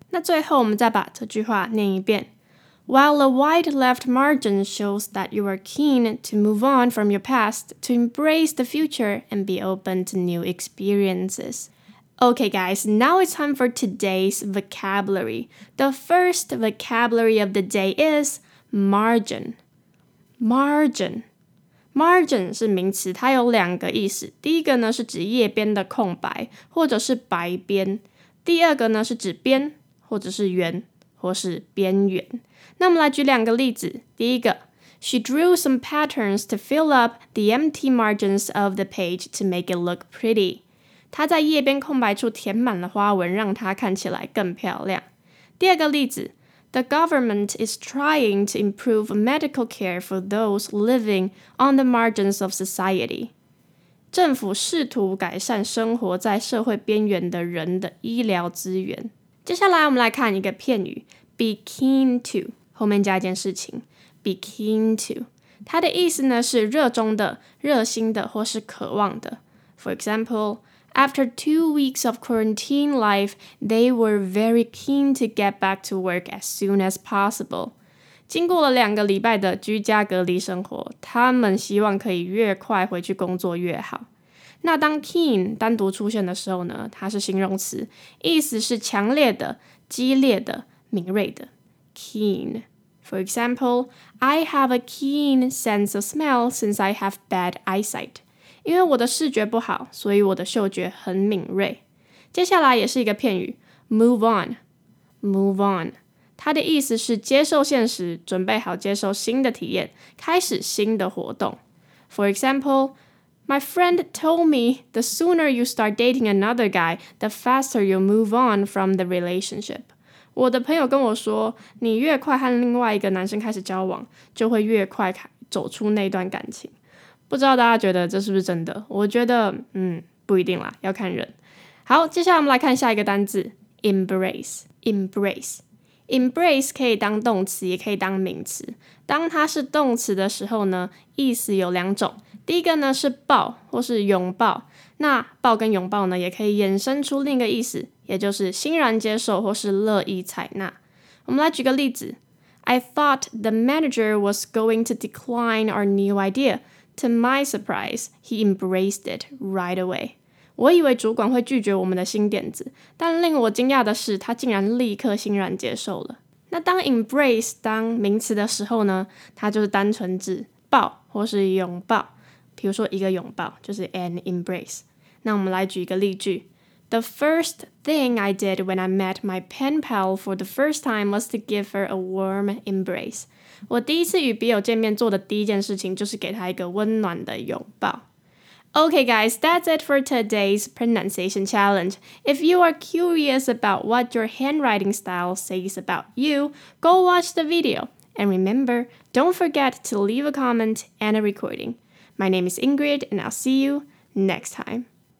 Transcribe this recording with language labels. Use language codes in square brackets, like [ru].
[zh] 那最后我们再把这句话念一遍。 [en] While a wide left margin shows that you are keen to move on from your past, to embrace the future, and be open to new experiences. Okay guys, now it's time for today's vocabulary. The first vocabulary of the day is margin. [zh] Margin. Margin 是名词，它有两个意思。第一个呢是指页边的空白，或者是白边。第二个呢是指边，或者是圆，或是边缘。那我们来举两个例子。第一个 [en] She drew some patterns to fill up the empty margins of the page to make it look pretty. [zh] 她在页边空白处填满了花纹，让它看起来更漂亮。第二个例子 [en] The government is trying to improve medical care for those living on the margins of society. [zh] 政府试图改善生活在社会边缘的人的医疗资源。接下来我们来看一个片语 Be keen to后面加一件事情 ，be keen to， 它的意思呢是热衷的、热心的或是渴望的。 [en] For example, after 2 weeks of quarantine life, they were very keen to get back to work as soon as possible. [zh] 经过了两个礼拜的居家隔离生活，他们希望可以越快回去工作越好。那当 keen 单独出现的时候呢，它是形容词，意思是强烈的、激烈的、敏锐的。Keen [en] For example, I have a keen sense of smell since I have bad eyesight. [zh] 因为我的视觉不好，所以我的嗅觉很敏锐。接下来也是一个片语 ,move on, move on。它的意思是接受现实，准备好接受新的体验，开始新的活动。 [en] For example, my friend told me the sooner you start dating another guy, the faster you move on from the relationship. [zh] 我的朋友跟我说，你越快和另外一个男生开始交往，就会越快走出那段感情。不知道大家觉得这是不是真的？我觉得，不一定啦，要看人。好，接下来我们来看下一个单字 ,embrace, embrace。 Embrace 可以当动词，也可以当名词。当它是动词的时候呢，意思有两种。第一个呢是抱或是拥抱。那抱跟拥抱呢，也可以衍生出另一个意思，也就是欣然接受或是乐意采纳。我们来举个例子 [en] ：I thought the manager was going to decline our new idea. To my surprise, he embraced it right away. [zh] 我以为主管会拒绝我们的新点子，但令我惊讶的是，他竟然立刻欣然接受了。那当 embrace 当名词的时候呢，它就是单纯指抱或是拥抱，比如说一个拥抱就是 an embrace。那我们来举一个例句 [en] ：The first thing I did when I met my pen pal for the first time was to give her a warm embrace。 [zh] 我第一次与笔友见面做的第一件事情就是给她一个温暖的拥抱。 [en] Okay guys, that's it for today's pronunciation challenge. If you are curious about what your handwriting style says about you, go watch the video. And remember, don't forget to leave a comment and a recording. My name is Ingrid, and I'll see you next time.